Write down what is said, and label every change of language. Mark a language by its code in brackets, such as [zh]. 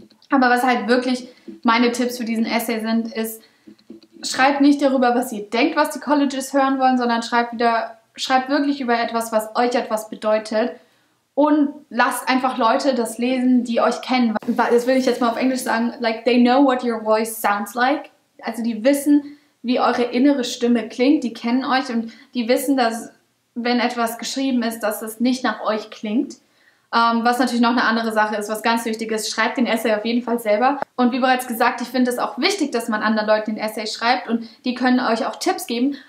[de] Aber was halt wirklich meine Tipps für diesen Essay sind, ist, schreibt nicht darüber, was ihr denkt, was die Colleges hören wollen, sondern schreibt wirklich über etwas, was euch etwas bedeutet. Und lasst einfach Leute das lesen, die euch kennen. Das will ich jetzt mal auf Englisch sagen. [en] Like, they know what your voice sounds like. [de] Also die wissen, wie eure innere Stimme klingt. Die kennen euch und die wissen, dass wenn etwas geschrieben ist, dass es nicht nach euch klingt. Was natürlich noch eine andere Sache ist, was ganz wichtig ist, schreibt den Essay auf jeden Fall selber. Und wie bereits gesagt, ich finde es auch wichtig, dass man anderen Leuten den Essay schreibt und die können euch auch Tipps geben.